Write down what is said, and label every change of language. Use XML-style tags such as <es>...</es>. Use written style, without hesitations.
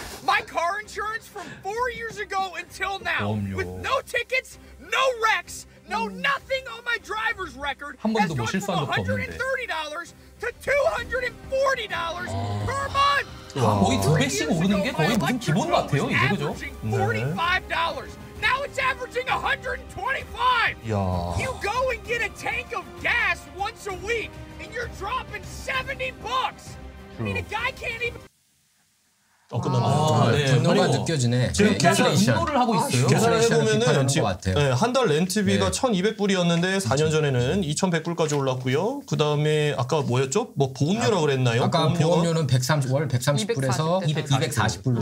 <en>My car insurance from 4 years ago until now, with no tickets, no wrecks, no nothing on my driver's record, has gone from $130 to $240 per month.</en> <ko>와, 거의 두 배씩 오르는 게 거의 무슨 기본 같아요, 이제 그죠?</ko> <en>45달러. Now it's averaging 125.</en> <ko>야.</ko> <en>You go and get a tank of gas once a week and you're dropping 70 bucks. I mean a guy can't even</en> <ko>끝났네요. 분노가 느껴지네. 지금 계산을 하고 있어요. 계산을 해보면은 지금 네, 한 달 렌트비가 네. 1,200불이었는데 4년 전에는 2,100불까지 올랐고요. 그 다음에 아까 뭐였죠? 뭐 보험료라고 그랬나요? 아까 보험료는 130월 130불에서 240불.</ko>